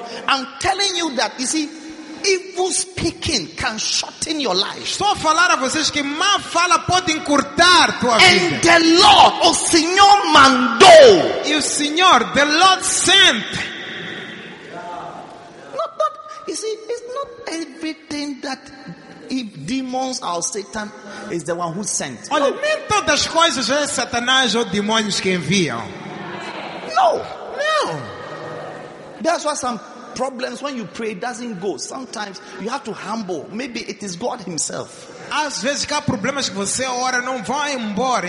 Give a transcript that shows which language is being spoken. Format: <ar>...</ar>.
<en>I'm telling you that, you see, evil speaking can shorten your life.</en> <pt>Estou a falar a vocês que má fala pode encurtar tua vida.</pt> <en>And the Lord,</en> <pt>o Senhor mandou. E o Senhor,</pt> <en>the Lord sent. Not, you see, it's not everything that if demons or Satan is the one who sent.</en> <pt>Olha, nem todas as coisas é Satanás ou demônios que enviam.</pt> <en>No, no. That's why some problems when you pray doesn't go. Sometimes you have to humble. Maybe it is God himself.</en> <pt>Às vezes há problemas que você ora não vai embora.</pt>